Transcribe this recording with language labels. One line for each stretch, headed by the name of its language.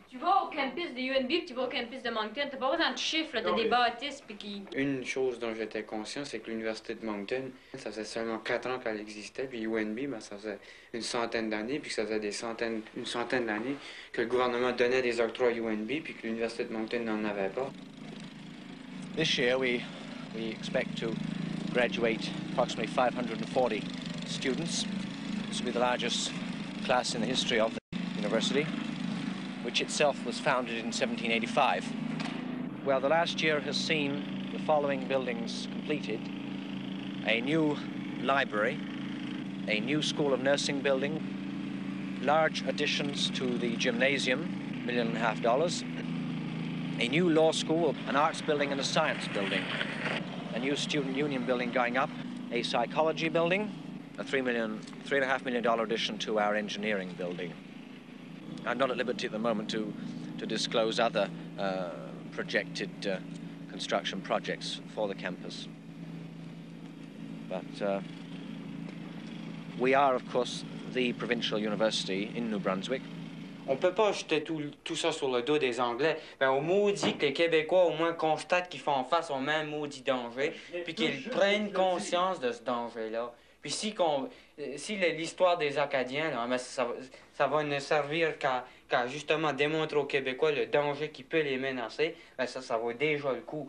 French: Tu vas au campus de UNB, puis tu vas au campus de Moncton, tu n'as pas besoin de chiffres, tu as des bâtisses, puis qui... Une chose dont j'étais conscient, c'est que l'Université de Moncton, ça faisait seulement 4 ans qu'elle existait, puis UNB, ben, ça faisait une centaine d'années, puis ça faisait une centaine d'années que le gouvernement donnait des octrois à UNB, puis que l'Université de Moncton n'en avait pas.
English: This year, we expect to graduate approximately 540 students. This will be the largest class in the history of the university, which itself was founded in 1785. Well, the last year has seen the following buildings completed: a new library, a new school of nursing building, large additions to the gymnasium, $1.5 million, a new law school, an arts building and a science building, a new student union building going up, a psychology building, $3.5 million addition to our engineering building. I'm not at liberty at the moment to disclose other projected construction projects for the campus. But we are, of course, the provincial university in New Brunswick.
French: On peut pas jeter tout ça sur le dos des Anglais. Ben, on maudit que les Québécois au moins constatent qu'ils font face au même maudit danger, puis qu'ils prennent conscience de ce danger-là. Puis si l'histoire des Acadiens, là, ça va ne servir qu'à justement démontrer aux Québécois le danger qui peut les menacer, ben ça vaut déjà le coup.